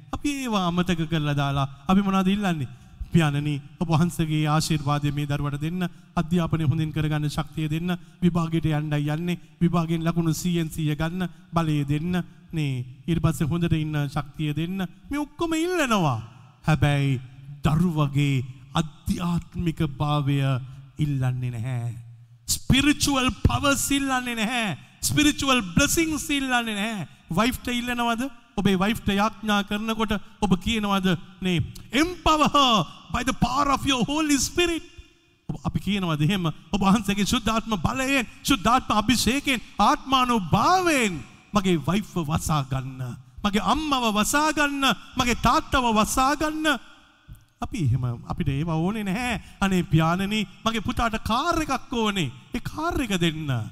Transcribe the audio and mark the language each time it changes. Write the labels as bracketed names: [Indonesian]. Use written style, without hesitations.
[Sinhala] අපි ඒවා අමතක කරලා දාලා අපි මොනවද ඉල්ලන්නේ? පියාණනි ඔබ වහන්සේගේ ආශිර්වාදය මේ දරුවට දෙන්න, අධ්‍යාපනය හොඳින් කරගන්න ශක්තිය දෙන්න, විභාගයට යන්නයි යන්නේ, විභාගයෙන් ලකුණු 100න් 100 ගන්න බලය දෙන්න, නේ ඊට පස්සේ හොඳට ඉන්න ශක්තිය දෙන්න, මේ ඔක්කොම ඉල්ලනවා. හැබැයි දරුවගේ අධ්‍යාත්මික භාවය ඉල්ලන්නේ නැහැ. [English] spiritual powers [Sinhala] ඉල්ලන්නේ නැහැ. [English] spiritual blessings [Sinhala] ඉල්ලන්නේ නැහැ. wife ඉල්ලනවද? ඔබේ wife යාඥා කරනකොට ඔබ කියනවද නේ [English] empower her by the power of your holy spirit. [Sinhala] ඔබ අපි කියනවද එහෙම? ඔබ වහන්සේගේ ශුද්ධාත්ම බලයෙන්, ශුද්ධාත්ම අභිෂේකයෙන්, ආත්මානුභාවයෙන් මගේ wife වසා ගන්න, මගේ අම්මව වසා ගන්න, මගේ තාත්තව වසා ගන්න. අපි එහෙම අපිට ඒව ඕනේ නැහැ. අනේ පියාණනි මගේ පුතාට කාර් එකක් ඕනේ. ඒ කාර් එක දෙන්න.